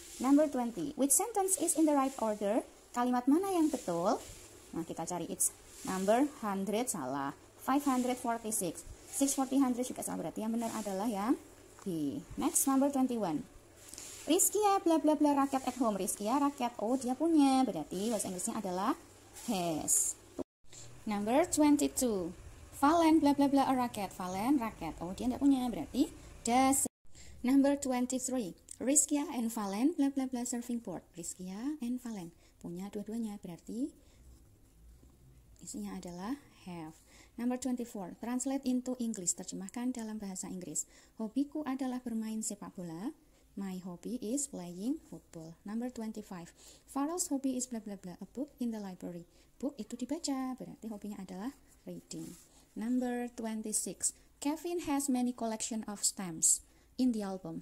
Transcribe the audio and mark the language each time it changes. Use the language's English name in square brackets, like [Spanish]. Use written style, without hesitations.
[English] Number 20, which sentence is in the right order? [Indonesian] Kalimat mana yang betul? Nah, kita cari, [English] it's number 100, [Indonesian] salah. 546, 640 100 juga salah, berarti yang benar adalah yang B. [English] Next, number 21, Rizkia bla bla bla rakyat at home. [Indonesian] Rizkia rakyat, oh dia punya, berarti bahasa Inggrisnya adalah has. [English] Number 22, Valen bla bla bla a rakyat. [Indonesian] Valen rakyat, oh dia tidak punya, berarti does. [English] Number 23, Rizkia and Valen bla bla bla surfing board. [Indonesian] Rizkia and Valen punya dua-duanya, berarti isinya adalah have. [English] Number 24, translate into English, [Indonesian] terjemahkan dalam bahasa Inggris. Hobiku adalah bermain sepak bola. [English] My hobby is playing football. Number 25, Farrell's hobby is bla bla bla a book in the library. [Indonesian] Book itu dibaca, berarti hobinya adalah reading. [English] Number 26, Kevin has many collection of stamps in the album.